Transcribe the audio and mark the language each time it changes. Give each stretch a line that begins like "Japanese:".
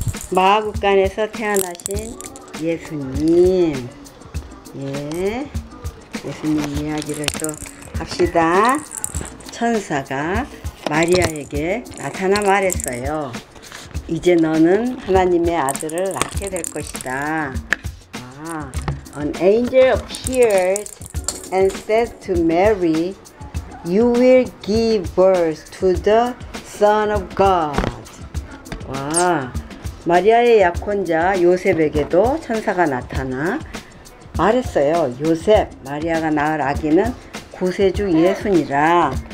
Korean: 마하국간에서 태어나신 예수님. 예. 예수님 이야기를 또 합시다. 천사가 마리아에게 나타나 말했어요. 이제 너는 하나님의 아들을 낳게 될 것이다.
English: 아, An angel appeared and said to Mary, You will give birth to the Son of God.
Korean: 와, 마리아의 약혼자 요셉에게도 천사가 나타나 말했어요. 요셉, 마리아가 낳을 아기는 구세주 예수니라.